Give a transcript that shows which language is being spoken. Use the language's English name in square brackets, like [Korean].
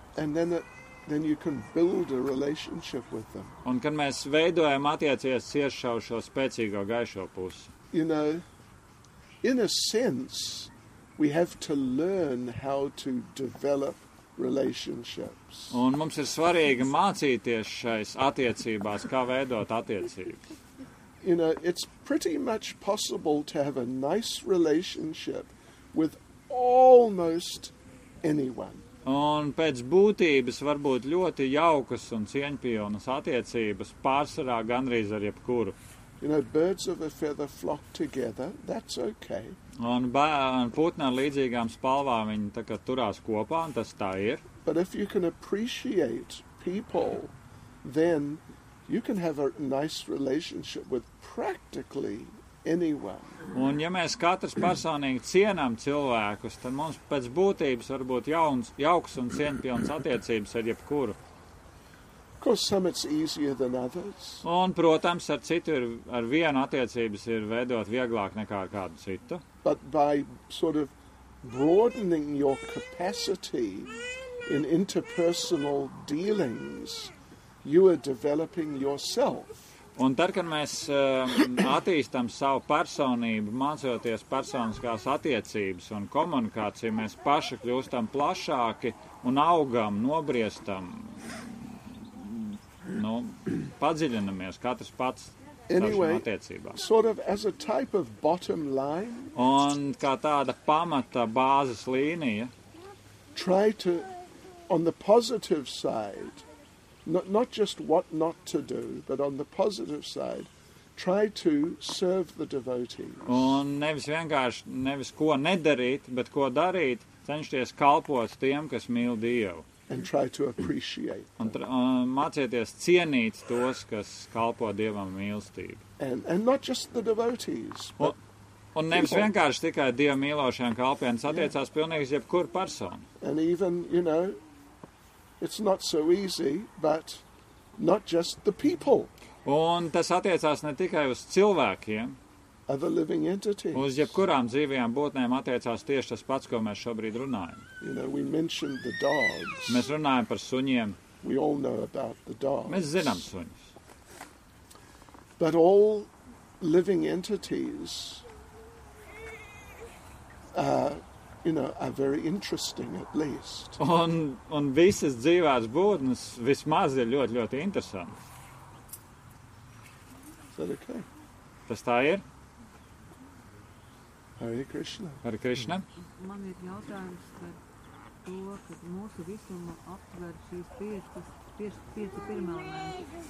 [English] And then you can build a relationship with them. [Latvian] Un kad mēs veidojam attiecības ciešā uz šo spēcīgo, gaišo pusi. [English] You know, in a sense, we have to learn how to develop relationships. [Latvian] Un mums ir svarīgi mācīties šais attiecībās, kā veidot attiecības. [English] You know, it's pretty much possible to have a nice relationship with almost anyone. [Latvian] Un pēc būtības varbūt ļoti jaukas un cieņpilnas attiecības pārsvarā gandrīz ar jebkuru. [English] You know, birds of a feather flock together, that's okay. [Latvian] Un putni ar līdzīgām spalvām viņi tā kā turās kopā, un tas tā ir. [English] But if you can appreciate people, then you can have a nice relationship with practically anyone. [Latvian] Un ja mēs katrs personīgi cienām cilvēkus, tad mums pēc būtības varbūt jauks un cieņpilns attiecības ar jebkuru. [English] Some it's easier than others. [Latvian] Un, protams, ar citu ir, ar vienu attiecības ir veidot vieglāk nekā ar kādu citu. [English] But by sort of broadening your capacity in interpersonal dealings, you are developing yourself. [Latvian] Un tad, kad mēs attīstam savu personību, mācoties personiskās attiecības un komunikāciju, mēs paši kļūstam plašāki un augam, nobriestam. Nu, padziļinamies katrs pats [English] anyway, [Latvian] savas attiecībās. [English] Sort of as a type of bottom line. [Latvian] Un kā tāda pamata bāzes līnija. [English] Try to, on the positive side, not just what not to do, but on the positive side, try to serve the devotees. [Latvian] Un nevis vienkārši, nevis ko nedarīt, bet ko darīt, cenšties kalpot tiem, kas mīl Dievu. [English] And try to appreciate. [Latvian] Un mācieties cienīt tos, kas kalpo Dievam mīlestību. [English] And not just the devotees. [Latvian] Un nevis vienkārši tikai Dievu mīlošajiem kalpieniem, attiecās pilnīgi jebkuru personu. [English] And even, you know, it's not so easy, but not just the people. [Latvian] Un tas attiecās ne tikai uz cilvēkiem. [English] Other living entities. [Latvian] Uz jebkurām dzīvajām būtnēm attiecās tieši tas pats, ko mēs šobrīd runājam. [English] You know, we mentioned the dogs. [Latvian] Mēs runājam par suņiem. [English] We all know about the dogs. [Latvian] Mēs zinām suņus. [English] But all living entities, you know, are very interesting at least. [Latvian] Un visas dzīvās būtnes vismaz ir ļoti, ļoti interesanti. [English] Is that okay? [Latvian] Tas tā ir? [Sanskrit] Hare Krishna. Hare Krishna. [Latvian] Man ir jautājums par to, ka mūsu visuma aptver šīs pieci pirmelnēm.